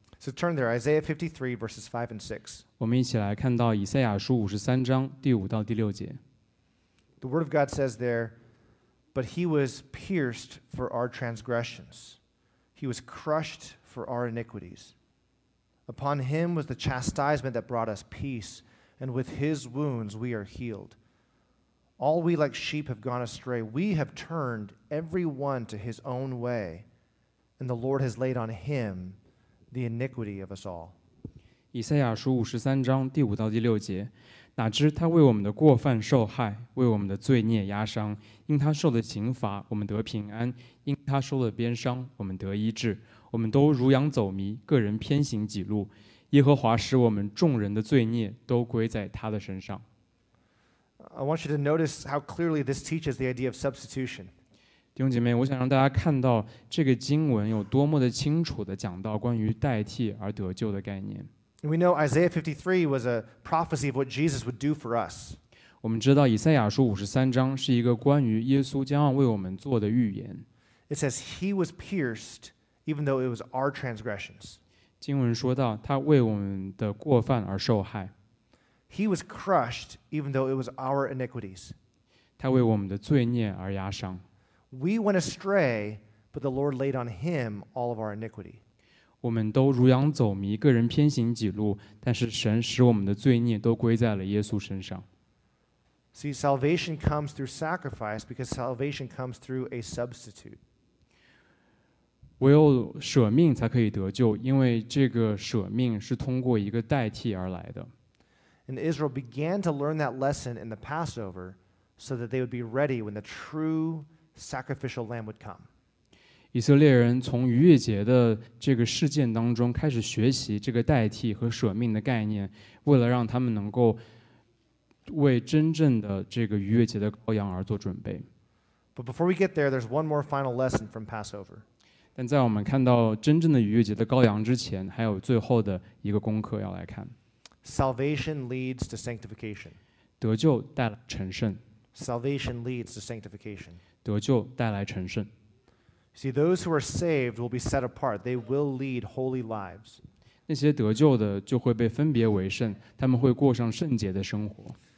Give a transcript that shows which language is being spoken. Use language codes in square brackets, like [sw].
[en] So turn there, Isaiah 53, verses 5 and 6. [zh] 我们一起来看到以赛亚书53章第5到第6节。 [en] The word of God says there, But he was pierced for our transgressions. He was crushed for our iniquities. Upon him was the chastisement that brought us peace, and with his wounds we are healed. All we like sheep have gone astray. We have turned every one to his own way, and the Lord has laid on him,The iniquity of us all. [zh] 以赛亚书五十三章第五到第六节，哪知他为我们的过犯受害，为我们的罪孽压伤。因他受的刑罚，我们得平安；因他受的鞭伤，我们得医治。我们都如羊走迷，个人偏行己路。耶和华使我们众人的罪孽都归在他的身上。 [en] I want you to notice how clearly this teaches the idea of substitution. [zh] 弟兄姐妹，我想让大家看到这个经文有多么的清楚地讲到关于代替而得救的概念。 [en] We know Isaiah 53 was a prophecy of what Jesus would do for us. [zh] 我们知道以赛亚书53章是一个关于耶稣将要为我们做的预言。 [en] It says he was pierced even though it was our transgressions. [zh] 经文说到他为我们的过犯而受害。 [en] He was crushed even though it was our iniquities. [zh] 他为我们的罪孽而压伤。 [en] We went astray, but the Lord laid on him all of our iniquity. [zh] 我们都如羊走迷，个人偏行己路，但是神使我们的罪孽都归在了耶稣身上。 [en] See, salvation comes through sacrifice because salvation comes through a substitute. [zh] 唯有舍命才可以得救，因为这个舍命是通过一个代替而来的。 [en] And Israel began to learn that lesson in the Passover so that they would be ready when the true sacrificial lamb would come. [zh] 以色列人从逾越节的这个事件当中开始学习这个代替和舍命的概念，为了让他们能够为真正的这个逾越节的羔羊而做准备。 [en] But before we get there, there's one more final lesson from Passover. [zh] 但在我们看到真正的逾越节的羔羊之前，还有最后的一个功课要来看。 [en] Salvation leads to sanctification. [zh] 得救带来成圣。 [en] Salvation leads to sanctification. [zh] 得救带来成圣。 [en] See, those who are saved will be set apart. They will lead holy lives. [zh] 那些得救的就会被分别为圣，他们会过上圣洁的生活。